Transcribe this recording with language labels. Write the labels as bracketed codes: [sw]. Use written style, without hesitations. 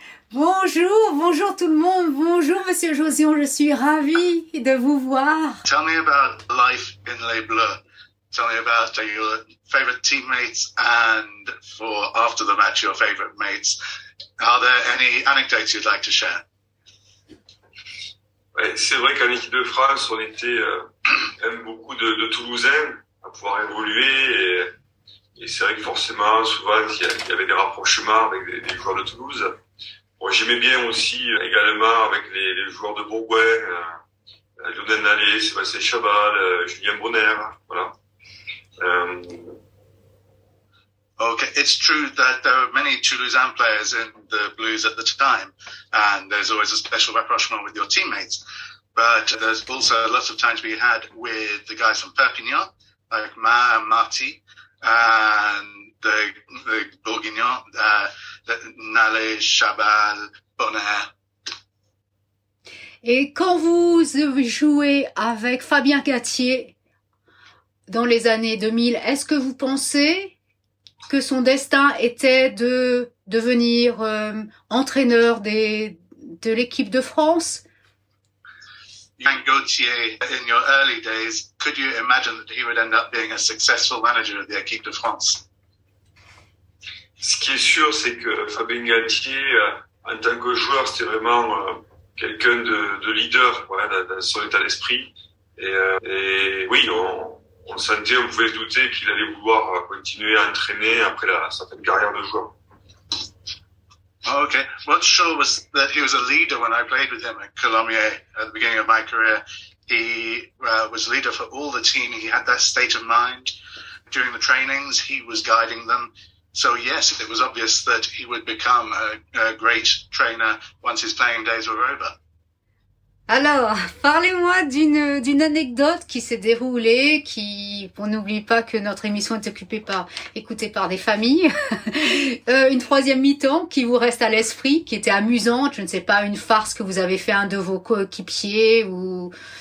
[fr] Bonjour, bonjour tout le monde, bonjour Monsieur Jauzion, je suis ravie de vous voir. [en] Tell me about life in Les Bleus. Tell me about your favorite teammates and for after the match, your favorite mates. Are there any anecdotes you'd like to share? [fr] C'est vrai qu'en équipe de France, on était même beaucoup de Toulousains à pouvoir évoluer et c'est vrai que forcément, souvent, il y avait des rapprochements avec des joueurs de Toulouse. Bon, j'aimais bien aussi également avec les joueurs de Bourgoin, Lionel Nallet, Sébastien Chabal, Julien Bonner, voilà. [en] Okay, it's true that there were many Toulousain players in the Blues at the time, and there's always a special rapprochement with your teammates. But there's also lots of times we had with the guys from Perpignan, like Ma and Marty, and the Bourguignon, Nalé, Chabal, Bonner. [fr] Et quand vous jouez avec Fabien Gatier dans les années 2000, est-ce que vous pensez que son destin était de devenir entraîneur de l'équipe de France? [en] Fabien Gatier, in your early days, could you imagine that he would end up being a successful manager of the équipe de France? [fr] Ce qui est sûr, c'est que Fabien Gatier, en tant que joueur, c'était vraiment quelqu'un de leader, voilà, dans son état d'esprit. Et oui, on sentait, on pouvait se douter qu'il allait vouloir continuer à entraîner après sa fin de carrière de joueur. [en] Okay, what sure was that he was a leader when I played with him at Colomiers at the beginning of my career? He was a leader for all the team. He had that state of mind during the trainings. He was guiding them. So yes, it was obvious that he would become a great trainer once his playing days were over. [fr] Alors, parlez-moi d'une anecdote qui s'est déroulée, qui, on n'oublie pas que notre émission est occupée par, écoutée par des familles. une troisième mi-temps qui vous reste à l'esprit, qui était amusante, je ne sais pas, une farce que vous avez fait un de vos coéquipiers ou...